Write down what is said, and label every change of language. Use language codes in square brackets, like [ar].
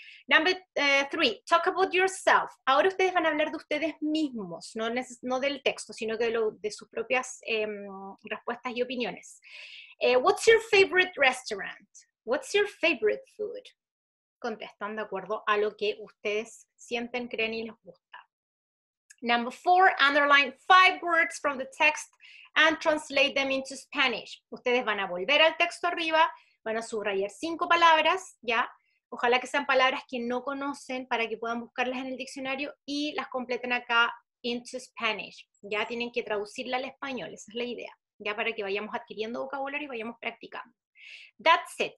[en] Number three, talk about yourself. [es] Ahora ustedes van a hablar de ustedes mismos, no del texto, sino que de sus propias respuestas y opiniones. [en] What's your favorite restaurant? What's your favorite food? [es] Contestan de acuerdo a lo que ustedes sienten, creen y les gusta. [en] Number four, underline five words from the text and translate them into Spanish. [es] Ustedes van a volver al texto arriba, van a subrayar cinco palabras, ¿ya? Ojalá que sean palabras que no conocen para que puedan buscarlas en el diccionario y las completen acá [en] into Spanish. [es] Ya tienen que traducirla al español, esa es la idea, ya para que vayamos adquiriendo vocabulario y vayamos practicando. [en] That's it.